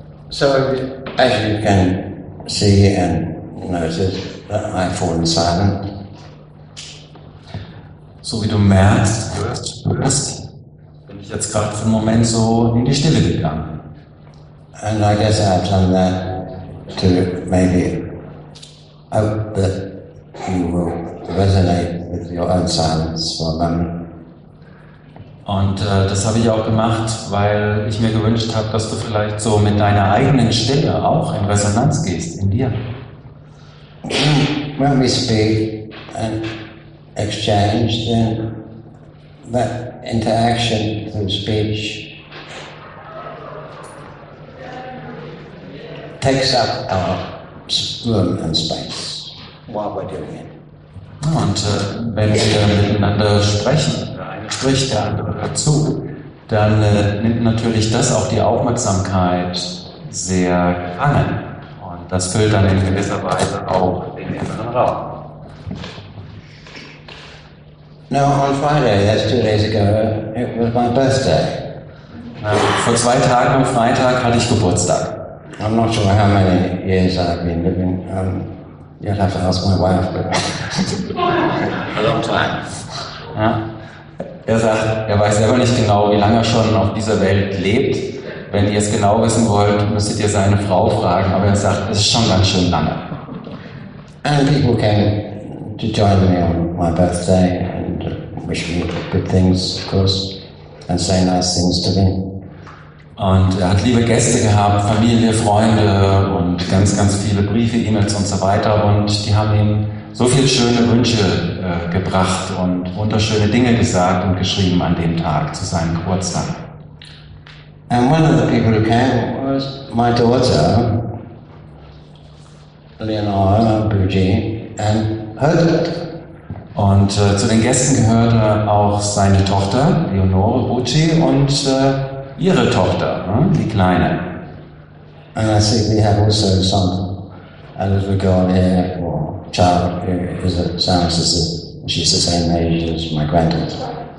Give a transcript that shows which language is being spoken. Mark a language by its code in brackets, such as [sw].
[en] So, as you can see and notice, that I fall in silent. [de] So wie du merkst, hörst, bin ich jetzt gerade für einen Moment so in die Stille gegangen. [en] And I guess I've done that to maybe hope that you will resonate with your own silence for a moment. [de] Und das habe ich auch gemacht, weil ich mir gewünscht habe, dass du vielleicht so mit deiner eigenen Stille auch in Resonanz gehst, in dir. [en] When we speak and exchange, then that interaction through speech takes up our room and space while we're doing it. [de] Und wenn wir miteinander sprechen, spricht der andere dazu, dann nimmt natürlich das auch die Aufmerksamkeit sehr gefangen. Und das füllt dann in gewisser Weise auch den inneren [en] Now, on Friday, that's 2 days ago, it was my birthday. [de] Vor 2 Tagen, am Freitag, hatte ich Geburtstag. [en] I'm not sure how many years I've been living. You'll have to ask my wife. But a long time. [de] Ja. Er sagt, er weiß selber nicht genau, wie lange er schon auf dieser Welt lebt. Wenn ihr es genau wissen wollt, müsstet ihr seine Frau fragen. Aber er sagt, es ist schon ganz schön lange. [en] And people came to join me on my birthday and wish me good things, of course, and say nice things to me. [de] Und er hat liebe Gäste gehabt, Familie, Freunde und ganz, ganz viele Briefe, E-Mails und so weiter. Und die haben ihm so viele schöne Wünsche gebracht und wunderschöne Dinge gesagt und geschrieben an dem Tag zu seinem Geburtstag. [en] And one of the people who came was my daughter, Leonora Bougie, and her daughter. [de] Und zu den Gästen gehörte auch seine Tochter, Leonore Bougie, und ihre Tochter, die Kleine. [en] And I think we have also some, a little girl here, or child, who is a sound sister. She's the same age as my granddaughter.